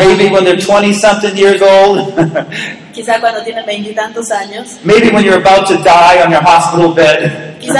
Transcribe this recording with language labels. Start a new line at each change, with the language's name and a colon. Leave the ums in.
English: when they're 20 something years old.
Spanish: Quizá cuando tienen 20 años.
English: Maybe when you're about to die on your hospital bed.